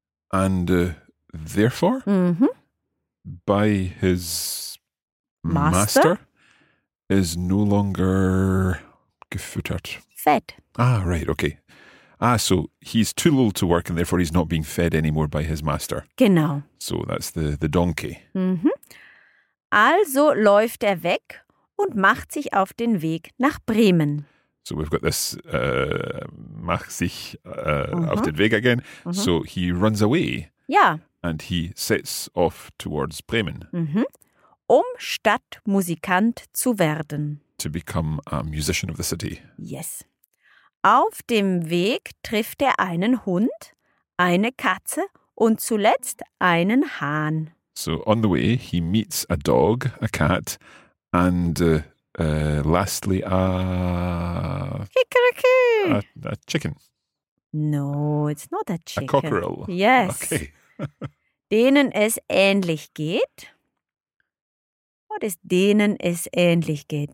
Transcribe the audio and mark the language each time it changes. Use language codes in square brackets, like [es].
[en] And therefore, by his master is no longer gefüttert. Fed. Ah, right, okay. Ah, so he's too old to work and therefore he's not being fed anymore by his master. [de] Genau. [en] So that's the donkey. Mm-hmm. [de] Also läuft weg und macht sich auf den Weg nach Bremen. [en] So we've got this, [de] macht sich auf den Weg [en] again. Mm-hmm. So he runs away. Yeah. And he sets off towards Bremen. [de] Mm-hmm. Um Stadtmusikant zu werden. [en] To become a musician of the city. Yes. [de] Auf dem Weg trifft einen Hund, eine Katze und zuletzt einen Hahn. [en] So, on the way, he meets a dog, a cat, and lastly a... Kikeriki! A chicken. No, it's not a chicken. A cockerel. Yes. Okay. [de] Denen es ähnlich geht. [en] What is [de] denen es ähnlich geht?